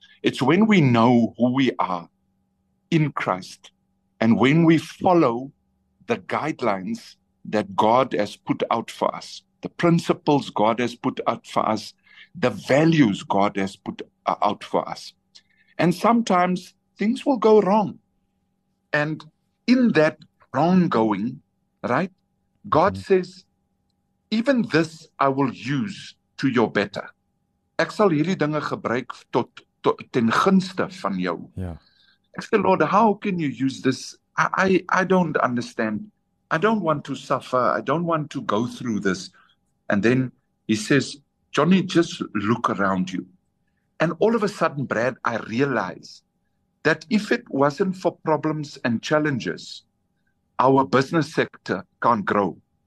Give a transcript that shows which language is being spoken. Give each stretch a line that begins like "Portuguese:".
English: It's when we know who we are in Christ and when we follow the guidelines that God has put out for us, the principles God has put out for us, the values God has put out for us. And sometimes things will go wrong. And in that wrong-going, right, God says, even this I will use to your better.
Afrikaans: Ek sal hierdie dinge gebruik ten gunste van jou.
English: Yeah.
Afrikaans: Ek sê,
English: Lord, how can you use this? I don't understand. I don't want to suffer. I don't want to go through this. And then He says, Johnny, just look around you. And all of a sudden, Brad, I realize that if it wasn't for problems and challenges, our business sector can't grow.